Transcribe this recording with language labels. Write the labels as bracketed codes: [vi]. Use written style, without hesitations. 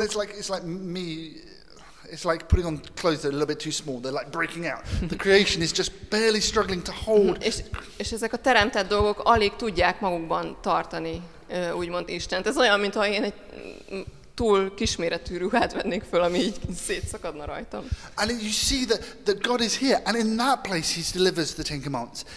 [en] Yeah, it's like me, it's like putting on clothes that are a little bit too small, they're like breaking out. The creation is just barely struggling to hold. [hu] És ezek a teremtett dolgok alig tudják magukban tartani, úgymond Istent. Ez olyan, mintha én egy túl kisméretű ruhát vennék föl, ami így szétszakadna rajtam. [en] And you see that God is here, and in that place he delivers the Ten Commandments.